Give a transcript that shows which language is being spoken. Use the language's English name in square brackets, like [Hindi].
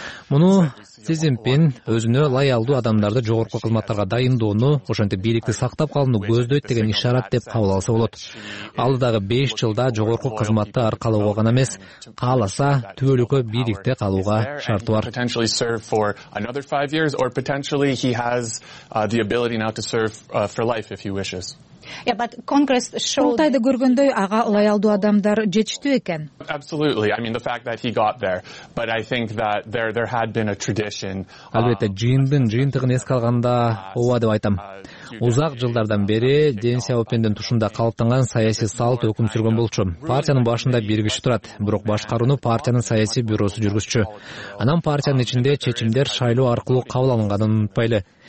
[Kyrgyz] Муну Си Цзиньпин өзүнө лоялдуу адамдарды жогорку кызматтарга дайындоону, ошентип бийликти сактап калууну көздөйт деген ишарат деп кабыл алса болот. Алдыдагы 5 жылда жогорку кызматты аркалоого гана эмес, кааласа түбөлүккө бийликте калууга шарты бар. [English] Potentially serve for another 5 years or potentially he has the ability now to serve for life if he wishes. Yeah, but Congress showed. [Kyrgyz] Курултайды көргөндөй ага лоялдуу адамдар жетиштүү экен. [English] Absolutely. I mean the fact that he got there, but I think that there had been a tradition. [Kyrgyz] Албетте, жыйындын жыйынтыгын эске алганда ооба деп айтам. Узак жылдардан бери Дэн Сяопиндин тушунда калыптанган саясий салт өкүм сүргөн болчу. Партиянын башында бир киши турат, бирок башкарууну партиянын саясий бюросу жүргүзчү. Анан партиянын ичинде чечимдер шайлоо аркылуу кабыл алынганын унутпайлы.